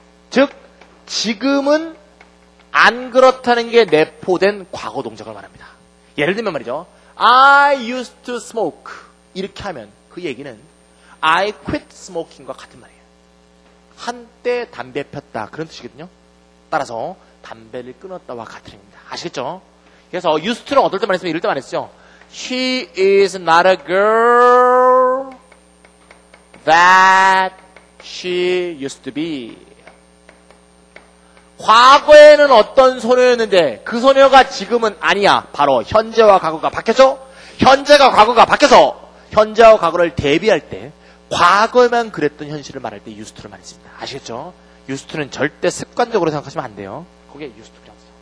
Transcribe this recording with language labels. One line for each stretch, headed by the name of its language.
Korean: 즉 지금은 안 그렇다는 게 내포된 과거 동작을 말합니다. 예를 들면 말이죠.
English: I used to smoke.
Korean: 이렇게 하면 그 얘기는
English: I quit smoking
Korean: 과 같은 말이에요. 한때 담배 폈다. 그런 뜻이거든요. 따라서 담배를 끊었다와 같은 겁니다. 아시겠죠? 그래서 used to는 어떨 때 말했으면 이럴 때 말했죠.
English: She is not a girl that she used to be.
Korean: 과거에는 어떤 소녀였는데 그 소녀가 지금은 아니야. 바로 현재와 과거가 바뀌었죠? 현재가 과거가 바뀌어서 현재와 과거를 대비할 때 과거에만 그랬던 현실을 말할 때 used to를 많이 씁니다. 아시겠죠? used to는 절대 습관적으로 생각하시면 안 돼요. 그게 used to라고요.